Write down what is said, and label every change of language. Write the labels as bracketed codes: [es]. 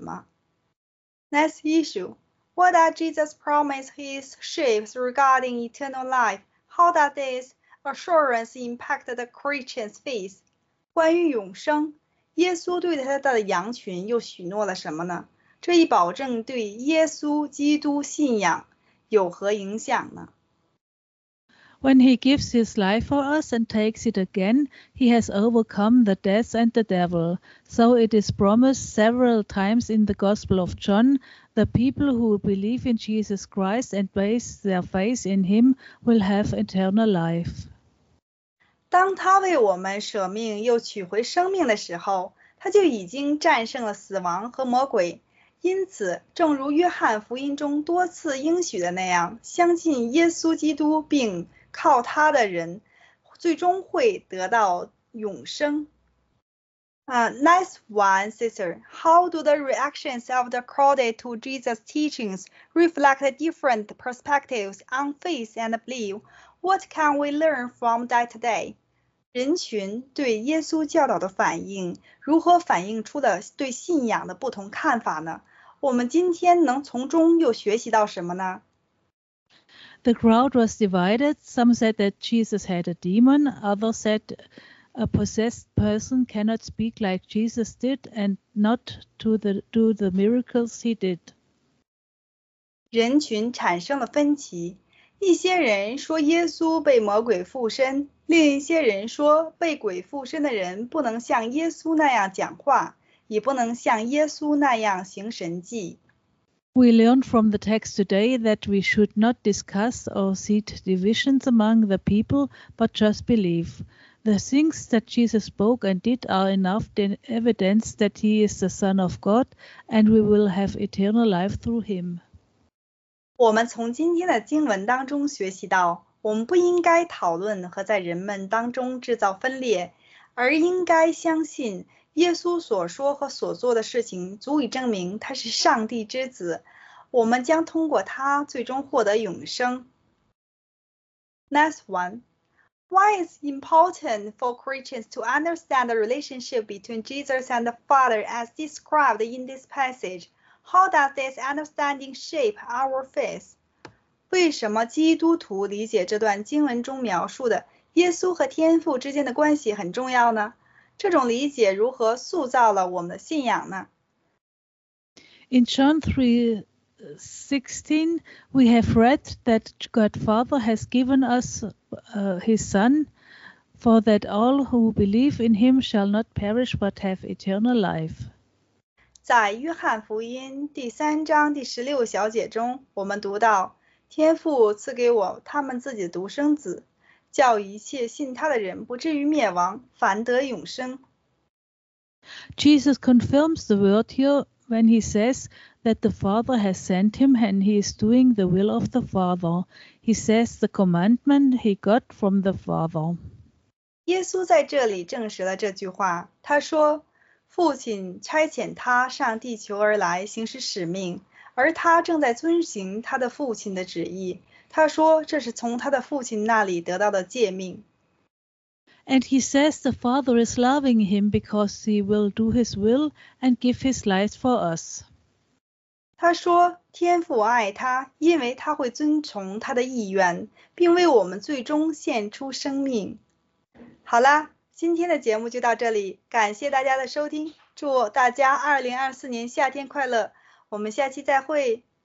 [zh] 但对耶稣的信仰恰恰的相反，他就是生命本身。他想要的是建立关系，而不是什么宗教。他想要给予我们一切，让我们不再试图通过宗教行为从上帝那里获得到什么。 [en] Next issue. What does Jesus promise his sheep regarding eternal life? How does this assurance impact the Christian's faith? [zh] 关于永生，耶稣对他的羊群又许诺了什么呢？这一保证对耶稣基督信仰有何影响呢？ [en] When he gives his life for us and takes it again, he has overcome the death and the devil. So it is promised several times in the Gospel of John, the people who believe in Jesus Christ and place their faith in him will have eternal life. [zh] 当他为我们舍命又取回生命的时候，他就已经战胜了死亡和魔鬼。因此，正如约翰福音中多次应许的那样，相信耶稣基督并靠他的人，最终会得到永生。 [en] Nice one, sister. How do the reactions of the crowd to Jesus' teachings reflect different perspectives on faith and belief? What can we learn from that today? [zh] 人群对耶稣教导的反应，如何反映出了对信仰的不同看法呢？我们今天能从中又学习到什么呢？ [en] The crowd was divided. Some said that Jesus had a demon. Others said a possessed person cannot speak like Jesus did and not do the miracles he did. [zh] 人群产生了分歧。一些人说耶稣被魔鬼附身，另一些人说被鬼附身的人不能像耶稣那样讲话，也不能像耶稣那样行神迹。 [en] We learn from the text today that we should not discuss or seek divisions among the people, but just believe. The things that Jesus spoke and did are enough evidence that he is the Son of God, and we will have eternal life through him. [zh] 我们从今天的经文当中学习到，我们不应该讨论和在人们当中制造分裂，而应该相信耶稣所说和所做的事情足以证明他是上帝之子，我们将通过他最终获得永生。 [en] Next one. Why is it important for Christians to understand the relationship between Jesus and the Father as described in this passage? How does this understanding shape our faith? [zh] 为什么基督徒理解这段经文中描述的耶稣和天父之间的关系很重要呢？这种理解如何塑造了我们的信仰呢？ [en] In John 3:16, we have read that God Father has given us his Son, for that all who believe in him shall not perish but have eternal life. [zh] 在约翰福音第三章第十六小节中，我们读到，天父赐给我他们自己的独生子，叫一切信他的人不至于灭亡，反得永生。 [en] Jesus confirms the word here when he says that the Father has sent him and he is doing the will of the Father. He says the commandment he got from the Father. [zh] 耶稣在这里证实了这句话，他说，父亲差遣他上地球而来，行使使命，而他正在遵行他的父亲的旨意。他说这是从他的父亲那里得到的诫命。 [en] And he says the Father is loving him because he will do his will and give his life for us. [zh] 他说天父爱他，因为他会遵从他的意愿，并为我们最终献出生命。好了，今天的节目就到这里，感谢大家的收听，祝大家2024年夏天快乐，我们下期再会。